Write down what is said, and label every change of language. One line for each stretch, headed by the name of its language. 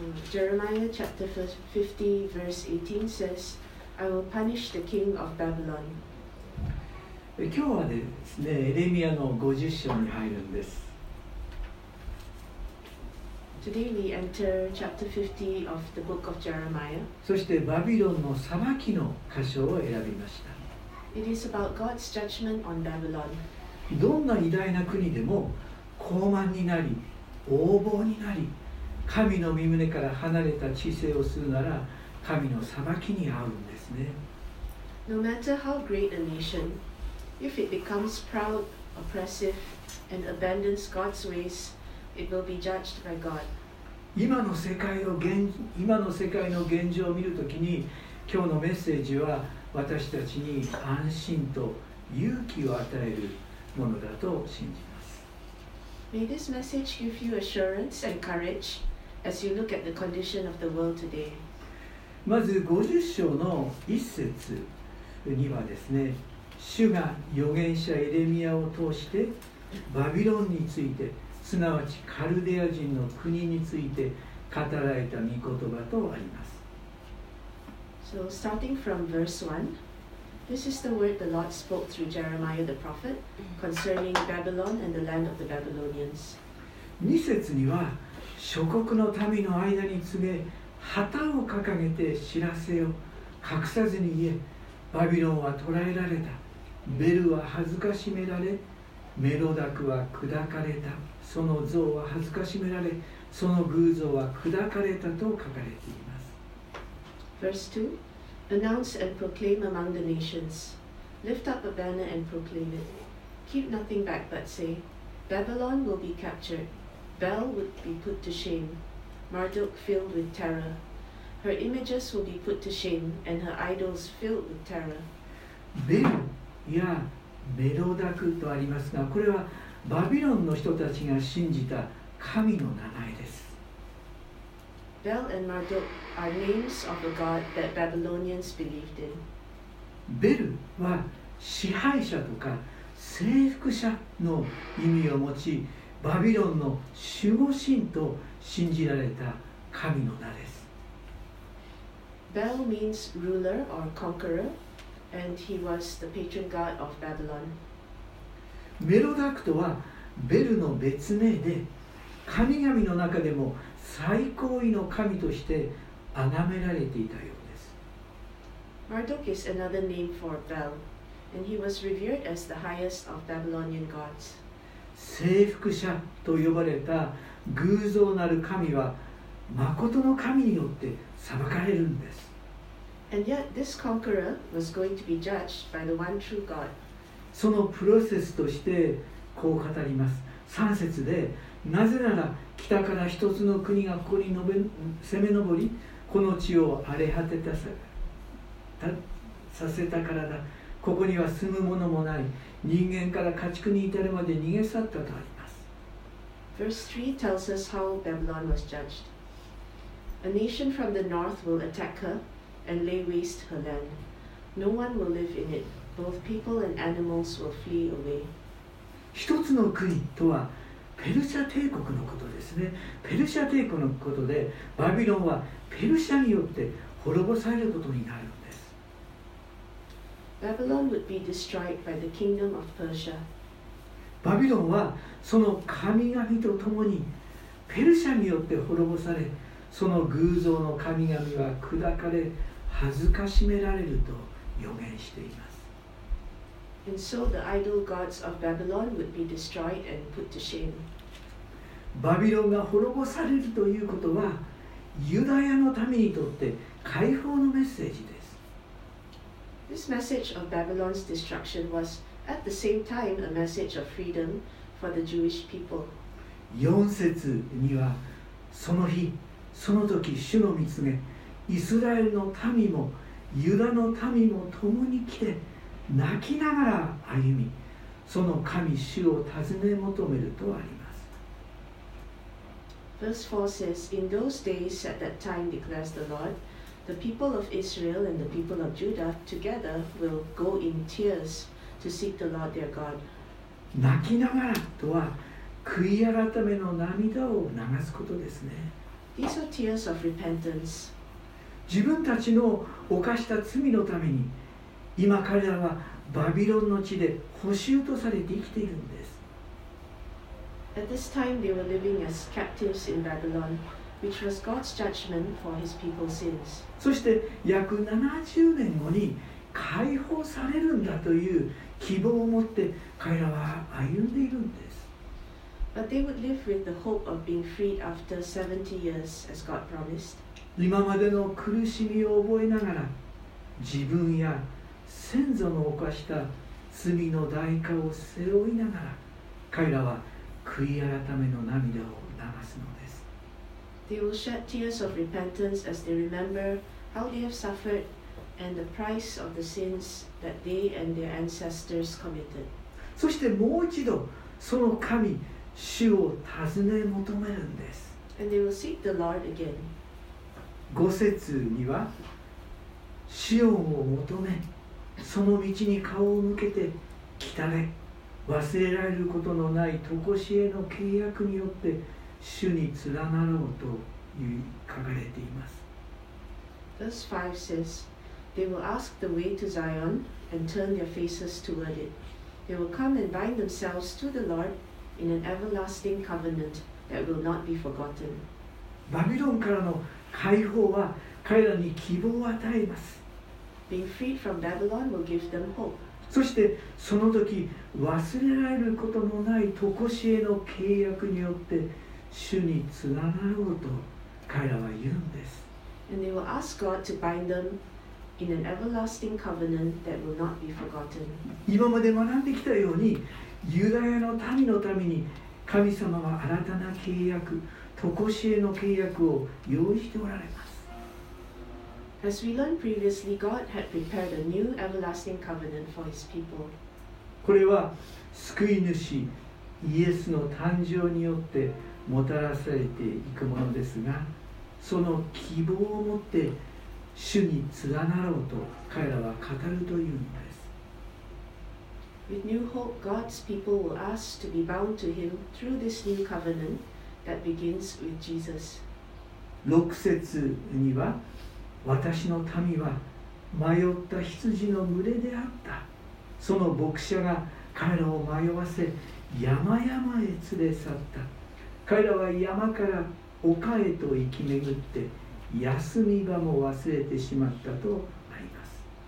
English: Jeremiah chapter 50 verse 18 says, I will punish the king of Babylon.
Japanese: 今日はですね、エレミアの50章に入るんです。
English: Today we enter chapter 50 of the book of Jeremiah.
Japanese: そしてバビロンの裁きの箇所を選びました。
English: It is about God's judgment on Babylon.
Japanese: どんな偉大な国でも高慢になり横暴になり神の御旨から離れた治世をするなら神の裁きに遭うんですね。
English: No matter how great a nation, if it becomes proud, oppressive, and abandons God's ways, it will be judged by God.
Japanese: 今の世界の現状を見るときに今日のメッセージは私たちに安心と勇気を与えるものだと信じます。
English: May this message give you assurance and courage as you look at the condition of the world today.
Japanese: まず50章の一節にはですね、主が預言者エレミアを通してバビロンについて、すなわちカルデア人の国について語られた御言葉とあります。
English: So starting from verse 1, this is the word the Lord spoke through Jeremiah the prophet concerning Babylon and the land of the Babylonians.
Japanese: 2節には諸国の民の間に告げ、旗を掲げて知らせよ、隠さずに言え、バビロンは捕らえられた、ベルは恥ずかしめられ、メロダクは砕かれた、その像は恥ずかしめられ、その偶像は砕かれたと書かれています。
English: Verse 2, announce and proclaim among the nations. Lift up a banner and proclaim it. Keep nothing back but say, Babylon will be captured. Bel will be put to shame. Marduk filled with terror. Her images will be put to shame and her idols filled with terror.
Japanese: ベルやメロダクとありますが、これはバビロンの人たちが信じた神の名前です。
English: Bel and Marduk are names of a god that Babylonians believed in.
Japanese: Bel は支配者とか征服者の意味を持ち、バビロンの守護神と信じられた神の名です。
English: Bel means ruler or conqueror, and he was the patron god of Babylon.
Japanese: メロダクとはベルの別名で、神々の中でも最高位の神として崇められていたようです。
English: Marduk is another name for Bel, and he was revered as the highest of Babylonian gods.
Japanese: 征服者と呼ばれた偶像なる神は、まことの神によって裁かれるんです。
English: And yet this conqueror was going to be judged by the one true God.
Japanese: そのプロセスとしてこう語ります。3節で、なぜなら北から一つの国がここに攻め上り、この地を荒れ果てたさせたからだ。ここには住むものもない。人間から家畜に至るまで逃げ去ったとあります。
English: Verse 3 tells us how Babylon was judged. A nation from the north will attack her and lay waste her land. No one will live in it. Both people and animals will flee away.
Japanese: 一つの国とはペルシャ帝国のことですね。ペルシャ帝国のことで、バビロンはペルシャによって滅ぼされることになるんです。
English: Babylon would be destroyed by the kingdom of Persia.
Japanese: バビロンはその神々と共にペルシャによって滅ぼされ、その偶像の神々は砕かれ、恥ずかしめられると予言しています。
English: And so the idol gods of Babylon would be destroyed and put to shame.
Japanese: バビロンが滅ぼされるということは、ユダヤの民にとって解放のメッセージです。
English: This message of Babylon's destruction was at the same time a message of freedom for the Jewish people.
Japanese: 四節には、その日、その時、主の見つめ、イスラエルの民もユダの民も共に来て、泣きながら歩み、その神主を尋ね求めるとあります。
English: Verse 4 says, In those days, at that time, declares the Lord, the people of Israel and the people of Judah together will go in tears to seek the Lord their God.
Japanese: 泣きながらとは、悔い改めの涙を流すことですね。
English: These are tears of repentance.
Japanese: 自分たちの犯した罪のために、今彼らはバビロンの地で捕囚とされて生きているんです。
English: At this time they were living as captives in Babylon, which was God's judgment for his people's sins.
Japanese: そして約70年後に解放されるんだという希望を持って彼らは歩んでいるんです。
English: But they would live with the hope of being freed after 70 years as God promised.
Japanese: 今までの苦しみを覚えながら自分や先祖の犯した罪の代価を背負いながら彼らは悔い改めの涙を流すのです。
English: They will shed tears of repentance as they remember how they have suffered and the price of the sins that they and their ancestors committed.
Japanese: そしてもう一度その神、主を尋ね求めるんです。
English: And they will seek the Lord again.
Japanese: 五節には、シオンを求め、その道に顔を向けて来たれ。忘れられることのない常しえの契約によって主に連なろうと書かれています。
English: Verse 5 says, They will ask the way to Zion and turn their faces toward it. They will come and bind themselves to the Lord in an everlasting covenant that will not be forgotten.
Japanese: バビロンからの解放は彼らに希望を与えます。
English: Being freed from Babylon will give them hope.
Japanese: そしてその時忘れられることのない常しえの契約によって主につながろうと彼らは言うんです。
English: And they will ask God to bind them in an everlasting covenant that will not be forgotten.
Japanese: 今まで学んできたようにユダヤの民のために神様は新たな契約、常しえの契約を用意しておられます。
English: As we learned previously, God had prepared a new everlasting covenant for His people.
Japanese: これは救い主イエスの誕生によってもたらされていくものですが、その希望を持って主に連なろうと彼らは語るというのです。
English: With new hope, God's people will ask to be bound to Him through this new covenant that begins with Jesus.
Japanese: 6節には私の民は迷った羊の群れであった。その牧者が彼らを迷わせ、山々へ連れ去った。彼らは山から丘へと行き巡って、休み場も忘れてしまったとあります。